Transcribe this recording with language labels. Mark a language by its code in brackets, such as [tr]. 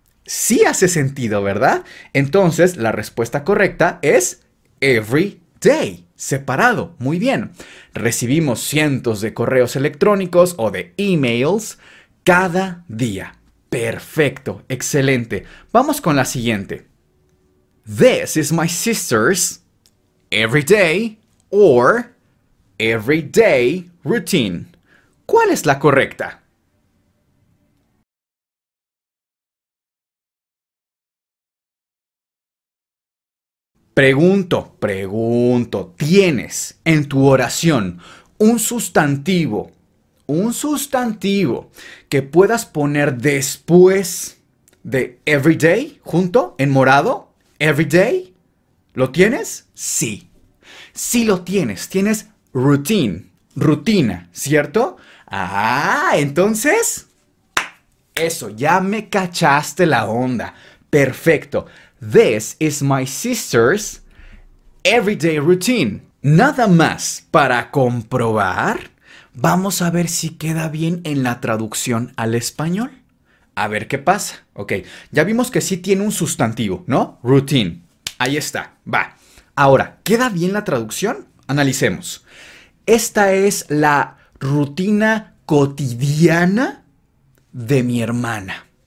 [es] Sí hace sentido, ¿verdad? Entonces, la respuesta correcta es every day, separado. Muy bien, recibimos cientos de correos electrónicos o de emails cada día. Perfecto, excelente. Vamos con la siguiente. [en] This is my sister's everyday or everyday routine. [es] ¿Cuál es la correcta? Pregunto, ¿tienes en tu oración un sustantivo? Un sustantivo que puedas poner después de everyday, junto, en morado, everyday, ¿Lo tienes? Sí. Sí lo tienes. Tienes routine, rutina, ¿cierto? Ah, entonces. Eso, ya me cachaste la onda. Perfecto. [en] This is my sister's everyday routine. [es] Nada más para comprobar, vamos a ver si queda bien en la traducción al español. A ver qué pasa. Ok, ya vimos que sí tiene un sustantivo, ¿no? Routine. Ahí está. Va. Ahora, ¿queda bien la traducción? Analicemos. Esta es la rutina cotidiana de mi hermana.